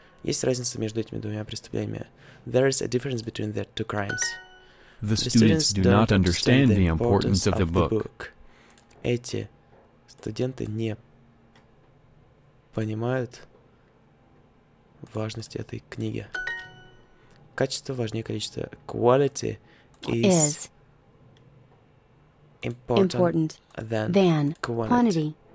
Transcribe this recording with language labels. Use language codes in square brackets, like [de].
[ru] Есть разница между этими двумя преступлениями. [en] There is a difference between the two crimes. The students do not understand the importance of the book. [ru] Эти студенты не понимают важности этой книги. Качество важнее количества. [en] Quality is important than quantity.